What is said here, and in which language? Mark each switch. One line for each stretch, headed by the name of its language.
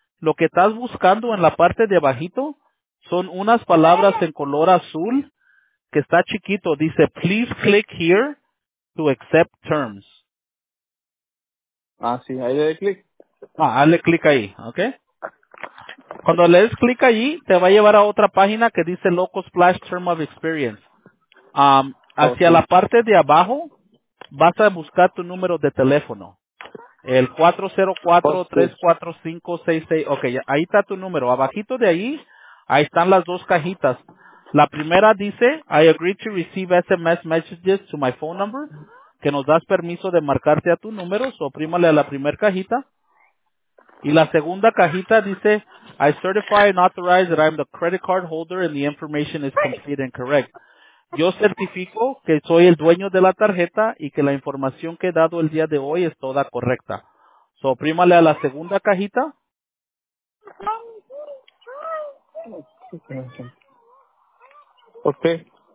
Spanish: Lo que estás buscando en la parte de abajito son unas palabras en color azul que está chiquito.
English: Dice, please click here to accept terms.
Spanish: Ah, sí. Ahí le doy clic. Ah, hazle clic ahí. Okay. Cuando le des clic allí, te va a llevar a otra página que dice Local Splash Term of Experience. Hacia la parte de abajo, vas a buscar tu número de teléfono. El 404-345-66. Ok, ahí está tu número. Abajito de ahí, ahí están las dos cajitas. La primera dice,
English: I agree to receive SMS messages to my phone number.
Spanish: Que nos das permiso de marcarte a tu número. Oprímale a la primera cajita. Y la segunda cajita dice,
English: I certify and authorize that I'm the credit card holder and the information is complete and correct.
Spanish: Yo certifico que soy el dueño de la tarjeta y que la información que he dado el día de hoy es toda correcta. Suprímale a la segunda cajita. Okay.